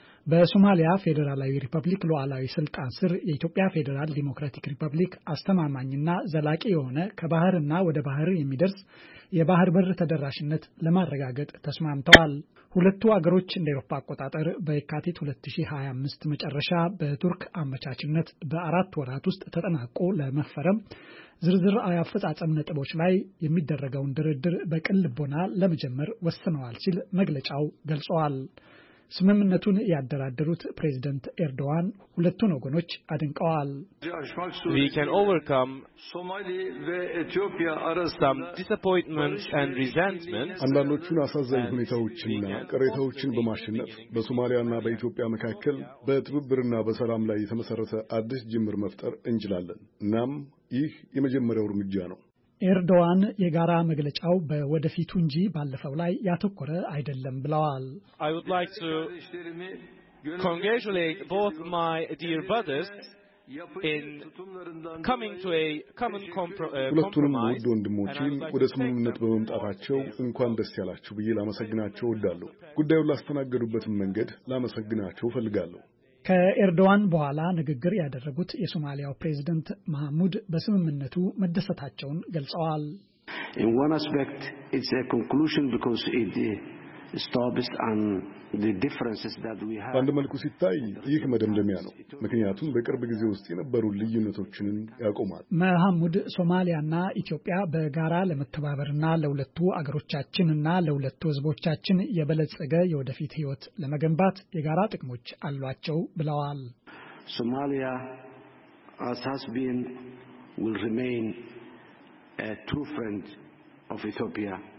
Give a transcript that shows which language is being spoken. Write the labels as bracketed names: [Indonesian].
[Amharic] በሶማሊያ ፌደራላዊ ሪፐብሊክ ሉዓላዊ ስልጣን ስር የኢትዮጵያ ፌደራል ዲሞክራቲክ ሪፐብሊክ አስተማማኝና ዘላቂ የሆነ ከባህርና ወደ ባህር የሚደርስ የባህር በር ተደራሽነት ለማረጋገጥ ተስማምተዋል። ሁለቱ አገሮች እንደ አውሮፓ አቆጣጠር በየካቲት 2025 መጨረሻ በቱርክ አመቻችነት በአራት ወራት ውስጥ ተጠናቆ ለመፈረም ዝርዝር አያፈጻጸም ነጥቦች ላይ የሚደረገውን ድርድር በቅልቦና ለመጀመር ወስነዋል ሲል መግለጫው ገልጿል። ስምምነቱን ያደረደሩት ፕሬዝዳንት ኤርዶዋን ሁለቱን ወገኖች አድንቀዋል። [English] We can overcome Somalia and Ethiopia are some disappointments and resentments. [Amharic] አንዳንዶቹን አሳዛኝ ሁኔታዎችና ቅሬታዎችን በማሸነፍ በሶማሊያና በኢትዮጵያ መካከል በትብብርና በሰላም ላይ የተመሰረተ አዲስ ጅምር መፍጠር እንችላለን። እናም ይህ የመጀመሪያው እርምጃ ነው። ኤርዶዋን የጋራ መግለጫው በወደፊቱ እንጂ ባለፈው ላይ ያተኮረ አይደለም ብለዋል። [English] I would like to congratulate both my dear brothers in coming to a common compromise. [Amharic] ሁለቱንም ውድ ወንድሞቼ ወደ ስምምነት በመምጣታቸው እንኳን ደስ ያላችሁ ብዬ ላመሰግናቸው እወዳለሁ። ጉዳዩን ላስተናገዱበት መንገድ ላመሰግናቸው ፈልጋለሁ። ከኤርዶዋን በኋላ ንግግር ያደረጉት የሶማሊያው ፕሬዝዳንት ማህሙድ በስምምነቱ መደሰታቸውን ገልጸዋል። [English] In one aspect it's a conclusion because it stops on the differences that we have. [Amharic] አንድ መልኩ ሲታይ ይህ መደምደሚያ ነው፣ ምክንያቱም በቅርብ ጊዜ ውስጥ የነበሩ ልዩነቶችን ያቆማል። ማህሙድ ሶማሊያና ኢትዮጵያ በጋራ ለመተባበርና ለሁለቱ አገሮቻችንና ለሁለቱ ህዝቦቻችን የበለጸገ የወደፊት ህይወት ለመገንባት የጋራ ጥቅሞች አሏቸው ብለዋል። [English] Somalia as has been will remain a true friend of Ethiopia.